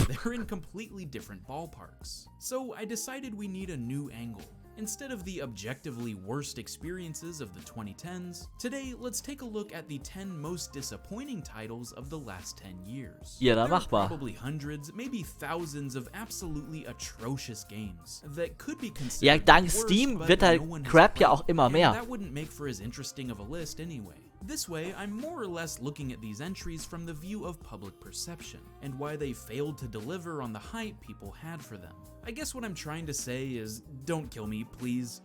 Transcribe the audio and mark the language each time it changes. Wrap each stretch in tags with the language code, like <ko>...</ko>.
<en>They're in completely different ballparks. So I decided we need a new angle. Instead of the objectively worst experiences of the 2010s, today let's take a look at the 10 most disappointing titles of the last 10 years. Yeah, that's machbar. Probably hundreds, maybe thousands of absolutely atrocious games that could be considered.</en> <de>Ja, dank Steam wird der Crap ja auch immer mehr.</de> <en>That wouldn't make for as interesting of a list anyway. This way, I'm more or less looking at these entries from the view of public perception, and why they failed to deliver on the hype people had for them. I guess what I'm trying to say is, don't kill me, please.</en>